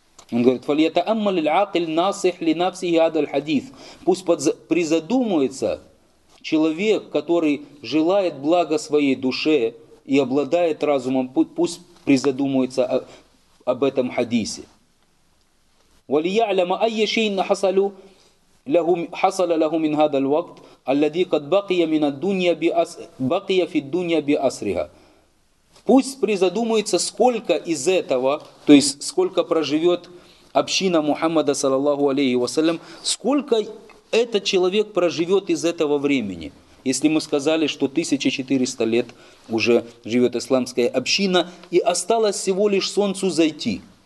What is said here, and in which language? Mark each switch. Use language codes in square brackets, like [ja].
[ru] Он говорит, [ar] фалиятааммаль аль-акиль насих ли нафсихи хадал хадис. [ru] Пусть призадумается Человек, который желает блага своей душе и обладает разумом, пусть призадумается об этом хадисе. [ar] وَلِيَعْلَمَ أَيَّ شَيْنَ حَصَلُوا حصل له من هذا الوقت الذي قد بقي من الدنيا بقي في الدنيا بأسرها. [ru] Пусть призадумается, сколько из этого, то есть сколько проживет община Мухаммада, саллаллаху алейхи вассалям, сколько этот человек проживет из этого времени. Если мы сказали, что 1400 лет уже живет исламская община, и осталось всего лишь солнцу зайти.